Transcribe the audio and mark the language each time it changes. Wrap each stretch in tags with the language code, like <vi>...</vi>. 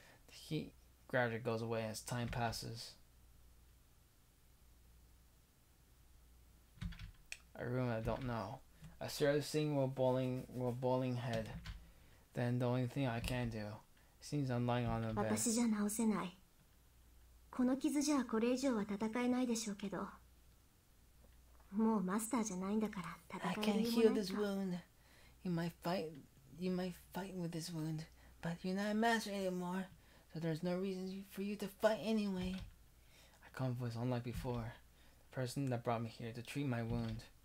<en>The heat gradually goes away as time passes. A room I don't know. I start seeing a boiling head. Then the only thing I can do seems I'm lying on a bed.</en> <ja>私じゃ治せない. この傷じゃこれ以上は戦えないでしょうけど.もうマスターじゃないんだから戦える.</ja> <en>I can't heal this wound. You might fight with this wound, but you're not a master anymore, so there's no reason for you to fight anyway. I come with, unlike before, the person that brought me here to treat my wound.</en>